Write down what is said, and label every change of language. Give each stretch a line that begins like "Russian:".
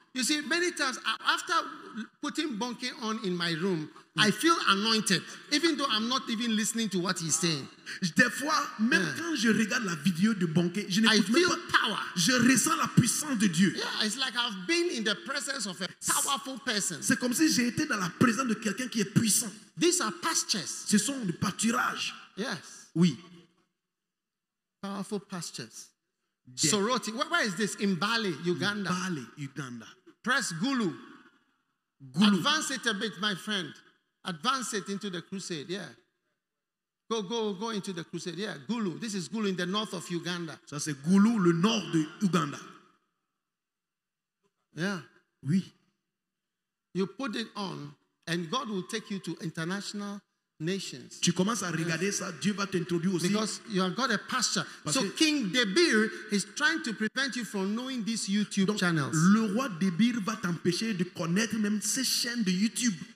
English: You see, many times, after putting bonke on in my room, I feel anointed, even though I'm not even listening to what he's saying.
French: Des fois, même quand je regarde la vidéo de Bonke, je n'écoute même pas.
English: Power.
French: Je ressens la puissance de Dieu.
English: Yeah, it's like I've been in the presence of a powerful person.
French: C'est comme si j'ai été dans la présence de quelqu'un qui est puissant.
English: These are pastures.
French: Ce sont des pâturages.
English: Yes.
French: Oui.
English: Powerful pastures. Yeah. Soroti. Where is this? In Bali, Uganda. In Bali, Uganda. Press Gulu. Gulu. Advance it a bit, my friend. Advance it into the crusade, yeah. Go into the crusade. Yeah, Gulu. This is Gulu in the north of Uganda.
French: Ça c'est Gulu, le nord de Uganda.
English: Yeah.
French: Oui.
English: You put it on, and God will take you to international nations.
French: Tu commences à regarder ça, Dieu va t'introduire aussi.
English: Because you have got a pasture. So King Debir is trying to prevent you from knowing these YouTube
French: donc,
English: channels.
French: Le roi Debir va t'empêcher de connaître même ces chaînes de YouTube.